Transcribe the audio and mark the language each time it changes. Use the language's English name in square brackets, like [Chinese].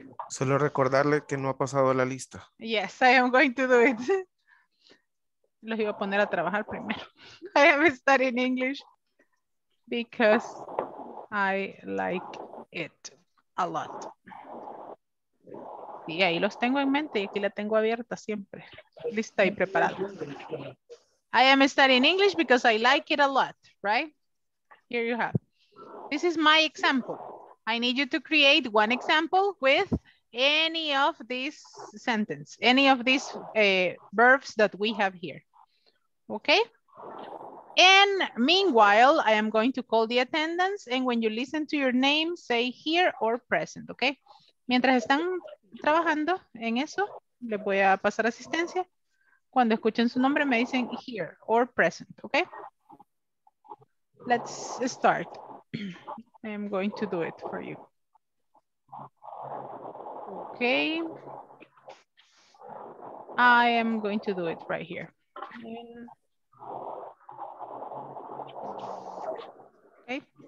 [Spanish] Solo recordarle que no ha pasado la lista. [English] Yes, I am going to do it. [Spanish] Los iba a poner a trabajar primero. [English] I am studying English because I like it a lot. [Spanish] Y ahí los tengo en mente y aquí la tengo abierta siempre. Lista y preparada. [English] I am studying English because I like it a lot, right? Here you have. This is my example. I need you to create one example with any of these sentences, any of these verbs that we have here. Okay? And meanwhile, I am going to call the attendance, and when you listen to your name, say here or present, okay? [Spanish] Mientras están trabajando en eso, les voy a pasar asistencia. Cuando escuchen su nombre, me dicen [English] here or present, okay? Let's start. I am going to do it for you. Okay. I am going to do it right here. Okay.